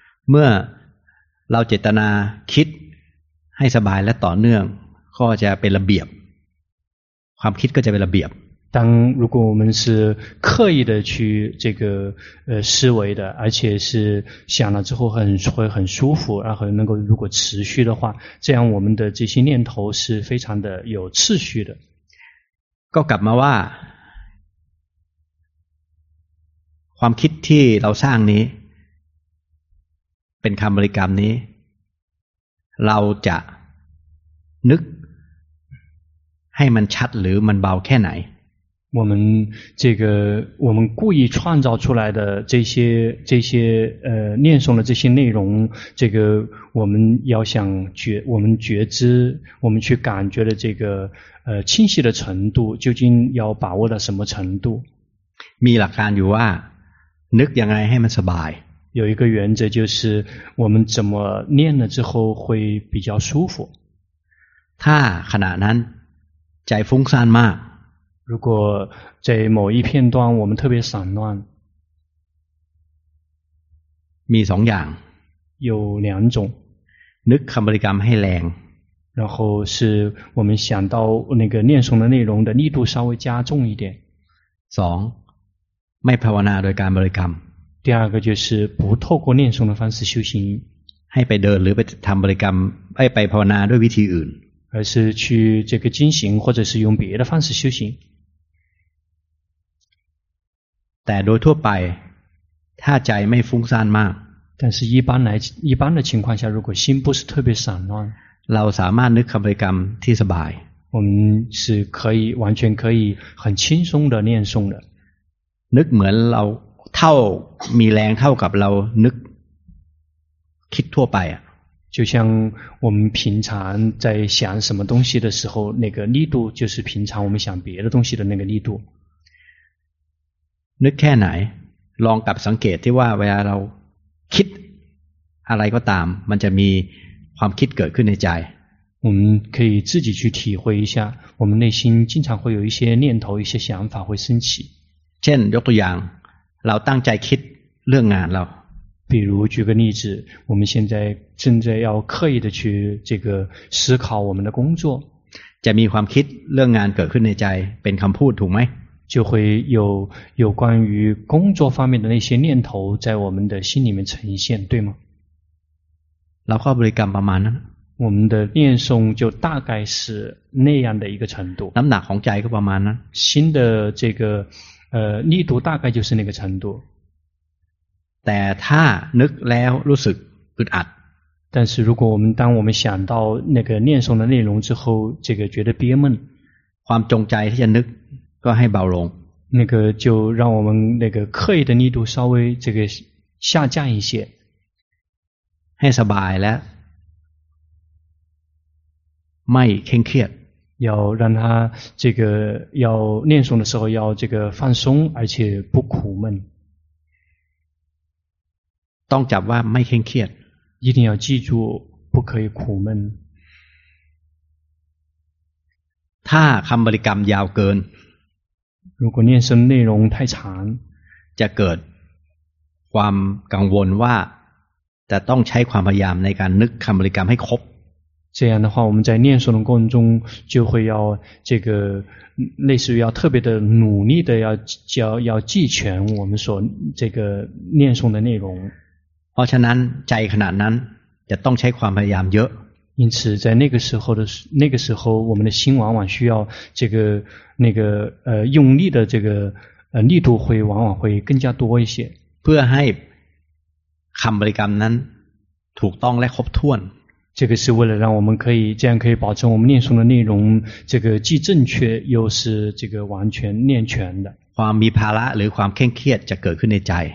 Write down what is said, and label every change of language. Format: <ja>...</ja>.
<th>เมื่อเราเจตนาคิดให้สบายและต่อเนื่องก็จะเป็นระเบียบความคิดก็จะเป็นระเบียบ</th> <zh>当如果我们是刻意的去这个思维的而且是想了之后会很舒服然后能够如果持续的话这样我们的这些念头是非常的有秩序的</zh> <th>ก็กลับมาว่าความคิดที่เราสร้างนี้เป็นคำบริกรรมนี้เราจะนึกให้มันชัดหรือมันเบาแค่ไหน</th> <zh>我们这个我们故意创造出来的这些念诵的这些内容，这个我们要想觉，我们觉知，我们去感觉的这个清晰的程度，究竟要把握到什么程度？</zh> <th>มีหลักการอยู่ว่านึกยังไงให้มันสบาย。</th> <zh>有一个原则，就是我们怎么念了之后会比较舒服。</zh> <th>ถ้าขณะนั้นใจฟุ้งซ่านมาก，</th> <zh>如果在某一片段我们特别散乱，</zh> <th>มีสองอย่าง，</th> <zh>有两种，</zh> <th>นึกคำบริกรรมให้แรง，</th> <zh>然后是我们想到那个念诵的内容的力度稍微加重一点。</zh> <th>สอง，ไม่ภาวนาโดยการบริกรรม。</th> <zh>第二个就是不透过念诵的方式修行，</zh> <th>ให้ไปเดินหรือไปทำบริกรรมไปภาวนาด้วยวิธีอื่น，</th> <zh>而是去这个进行或者是用别的方式修行。</zh> <th>แต่โดยทั่วไปถ้าใจไม่ฟุ้งซ่านมาก，</th> <zh>但是一般的情况下，如果心不是特别散乱，</zh> <th>เราสามารถนึกคำบริกรรมที่สบาย，</th> <zh>我们是可以完全可以很轻松的念诵的，</zh> <th>นึกเหมือนเราเท่ามีแรงเท่ากับเรานึกคิดทั่วไปอ่ะ</th> <zh>就像我们平常在想什么东西的时候那个力度就是平常我们想别的东西的那个力度</zh> <th>นึกแค่ไหนลองกลับสังเกตที่ว่าเวลาเราคิดอะไรก็ตามมันจะมีความคิดเกิดขึ้นในใจ</th> <zh>我们可以自己去体会一下我们内心经常会有一些念头一些想法会升起</zh> <th>เช่นยกตัวอย่างเราตั้งใจคิดเรื่องงานเรา</th> <zh>比如举个例子我们现在正在要刻意的去这个思考我们的工作</zh> <th>จะมีความคิดเรื่องงานเกิดขึ้นในใจเป็นคำพูดถูกไหม</th> <zh>就会有关于工作方面的那些念头在我们的心里面呈现对吗</zh> <th>เราเข้าบริกรรมประมาณนั้น</th> <zh>我们的念诵就大概是那样的一个程度</zh> <th>น้ำหนักของใจก็ประมาณนั้น</th> <zh>心的这个力度大概就是那个程度</zh> <th>แต่ถ้านึกแล้วรู้สึกอึดอัด</th> <zh>但是如果我们当我们想到那个念诵的内容之后这个觉得憋闷</zh> <th>ความจงใจที่จะนึกก็ให้เบาลง</th> <zh>那个就让我们那个刻意的力度稍微这个下降一些</zh> <th>ให้สบายแล้วไม่เคร่งเครียด</th> <zh>要让他这个要念诵的时候要这个放松而且不苦闷</zh> <th>ต้องจับว่าไม่เคร่งเครียด</th> <zh>一定要记住不可以苦闷</zh> <th>ถ้าคำบริกรรมยาวเกิน</th> <zh>如果念诵内容太长</zh> <th>จะเกิดความกังวลว่าจะต้องใช้ความพยายามในการนึกคำบริกรรมให้ครบ</th> <zh>这样的话我们在念诵的过程中就会要这个类似于要特别的努力的要记全我们所这个念诵的内容</zh> <th>เพราะฉะนั้นใจขนาดนั้นจะต้องใช้ความพยายามเยอะ</th> <zh>因此在那个时候我们的心往往需要这个那个用力的这个力度会往往会更加多一些</zh> <th>เพื่อให้คำบริกรรมนั้นถูกต้องและครบถ้วน</th> <zh>这个是为了让我们可以这样可以保证我们念诵的内容这个既正确又是这个完全念全的</zh> <th>ความมีภาระหรือความเคร่งเครียดจะเกิดขึ้นในใจ</th>